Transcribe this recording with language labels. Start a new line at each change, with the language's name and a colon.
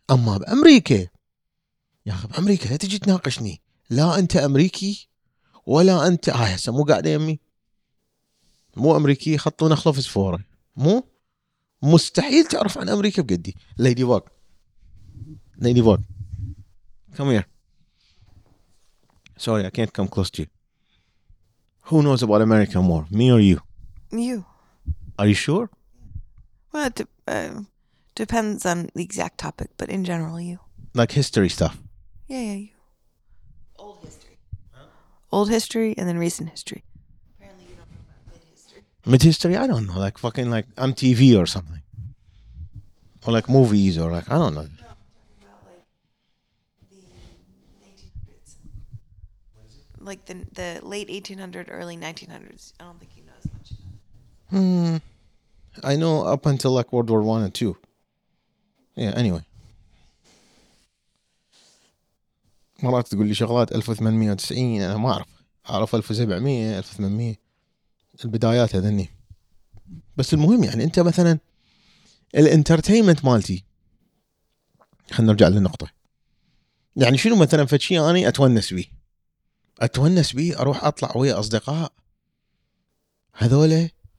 Arabic: أما بأمريكا يا أخي، بأمريكا لا تجي تناقشني، لا أنت أمريكي ولا أنت هسه مو قاعدة يمي، مو أمريكي، خطوا نخلة في سفورة، مو مستحيل تعرف عن أمريكا بجدي. ليدي فوق، ليدي فوق،
English: come here. Sorry, I can't come close to you. Who knows about America more, me or you? You. Are you sure? Well, it depends on the exact topic, but in general, you. Like history stuff. Yeah, yeah, you. Old history. Huh? Old history and then recent history. Mid history, I don't know, like fucking like MTV or something, or like movies, or like I don't know. No, I'm talking about like the 1800s. What is it? Like the late 1800s, early 1900s. I don't think you know as much. I know up until like World War One and Two. Yeah. Anyway.
Arabic: مرات تقول لي شغلات 1890 أنا ما أعرف، أعرف 1700 1800. البدايات هذني. بس المهم يعني انت مثلا الانترتينمنت مالتي، خلنا نرجع للنقطة، يعني شنو مثلا فتشي اني اتونس بي، اتونس بي اروح اطلع ويا اصدقاء هذولي